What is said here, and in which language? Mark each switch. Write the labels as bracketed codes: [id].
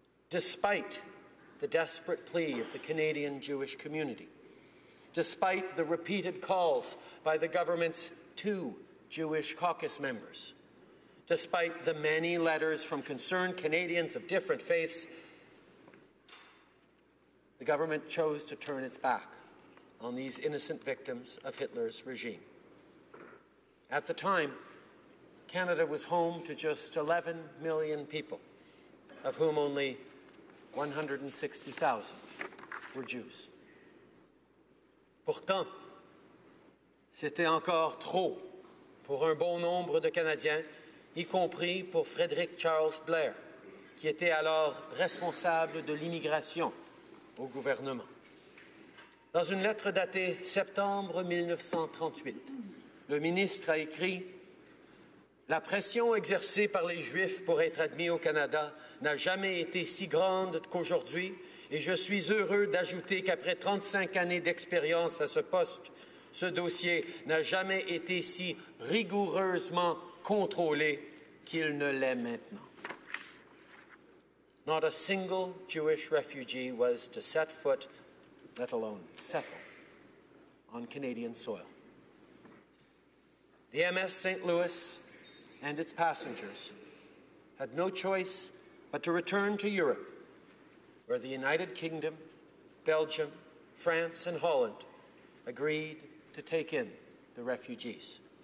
[en] Despite the desperate plea of the Canadian Jewish community, despite the repeated calls by the government's two Jewish caucus members, despite the many letters from concerned Canadians of different faiths, the government chose to turn its back on these innocent victims of Hitler's regime. At the time, Canada was home to just 11 million people, of whom only 160,000 were Jews. [fr] Pourtant, c'était encore trop pour un bon nombre de Canadiens, y compris pour Frederick Charles Blair, qui était alors responsable de l'immigration au gouvernement. Dans une lettre datée septembre 1938, le ministre a écrit « La pression exercée par les Juifs pour être admis au Canada n'a jamais été si grande qu'aujourd'hui et je suis heureux d'ajouter qu'après 35 années d'expérience à ce poste, ce dossier n'a jamais été si rigoureusement contrôlé qu'il ne l'est maintenant. [en] » Not a single Jewish refugee was to set foot, let alone settle, on Canadian soil. The MS St. Louis and its passengers had no choice but to return to Europe, where the United Kingdom, Belgium, France, and Holland agreed to take in the refugees.